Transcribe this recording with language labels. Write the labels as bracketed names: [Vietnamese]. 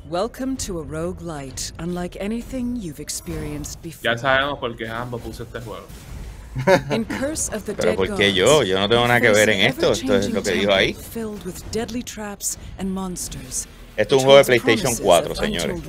[English] Welcome to a roguelite, unlike anything you've experienced before. [Spanish] Ya sabemos por qué ambos puse este juego. In Curse of the Dead Gods, yo no tengo nada que ver en esto es lo que dijo ahí. [English] Filled with deadly traps and monsters. [Spanish] Esto es un juego de PlayStation 4, señores.